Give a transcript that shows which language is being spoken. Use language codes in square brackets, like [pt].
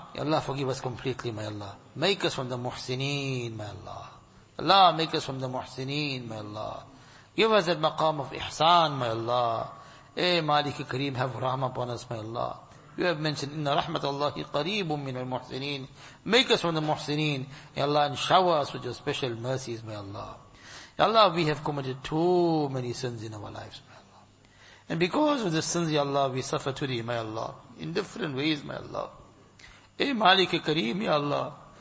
[ar] یا اللہ [en] forgive us completely my Allah. Make us from the محسنین my Allah. Allah make us from the محسنین my Allah. Give us the مقام of احسان my Allah. [ur] A Malik cream [en] have rahmah upon us my Allah. You have mentioned [ar] ان رحمت اللہ قریب من المحسنین. [en] Make us from the محسنین. [ar] یا اللہ [en] and shower us with your special mercies my Allah. [ar] یا اللہ [en] we have committed too many sins in our lives. And because of the sins, Ya Allah, we suffer today, my Allah. In different ways, my Allah. [ar] Ey Malik Kareem, Ya Allah.